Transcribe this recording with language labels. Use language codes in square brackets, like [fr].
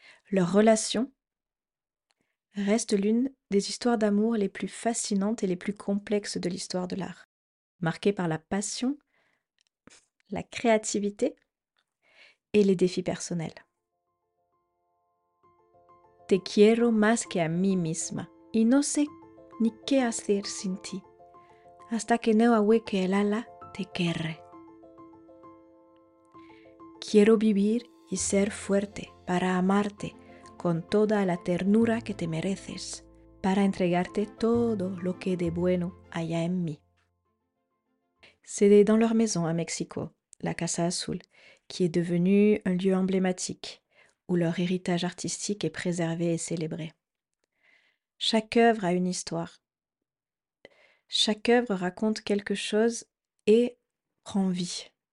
[fr] Leur relation reste l'une des histoires d'amour les plus fascinantes et les plus complexes de l'histoire de l'art, marquée par la passion, la créativité et les défis personnels. [es] Te quiero más que a mí misma, y no sé ni qué hacer sin ti, hasta que no ahueque el ala te querré. Quiero vivir y ser fuerte para amarte con toda la ternura que te mereces, para entregarte todo lo que de bueno haya en mí. [fr] C'est dans leur maison à Mexico, la Casa Azul, qui est devenue un lieu emblématique, où leur héritage artistique est préservé et célébré. Chaque œuvre a une histoire. Chaque œuvre raconte quelque chose et prend vie.